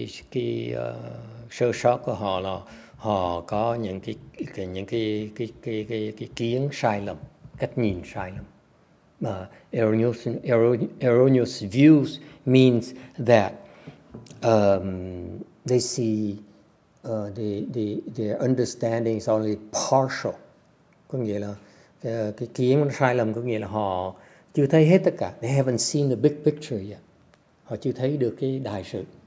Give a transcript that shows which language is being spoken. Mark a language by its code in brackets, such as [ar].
[vi] Cái sơ sót của họ là họ có những cái kiến sai lầm, cách nhìn sai lầm. [en] Erroneous views means that they see their understanding is only partial. [vi] Có nghĩa là cái kiến sai lầm có nghĩa là họ chưa thấy hết tất cả. [en] They haven't seen the big picture yet. [vi] Họ chưa thấy được cái đại sự.